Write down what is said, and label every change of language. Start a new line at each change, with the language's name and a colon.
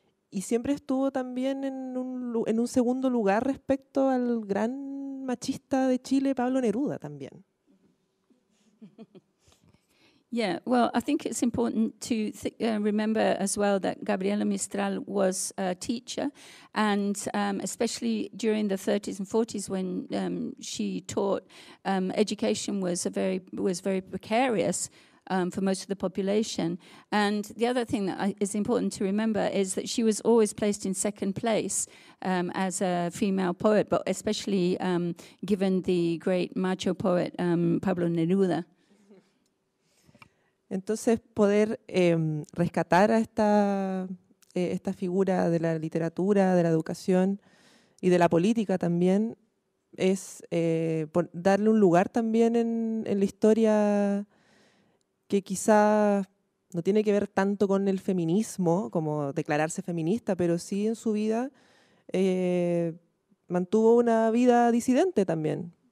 Spanish: Y siempre estuvo también en un segundo lugar respecto al gran machista de Chile, Pablo Neruda, también.
English: Yeah, well, I think it's important to remember as well that Gabriela Mistral was a teacher, and especially during the 30s and 40s when she taught, education was very precarious for most of the population. And the other thing that is important to remember is that she was always placed in second place as a female poet, but especially given the great macho poet Pablo Neruda.
Spanish: Entonces, poder rescatar a esta figura de la literatura, de la educación y de la política también es darle un lugar también en la historia que quizá no tiene que ver tanto con el feminismo, como declararse feminista, pero sí en su vida mantuvo una vida disidente también.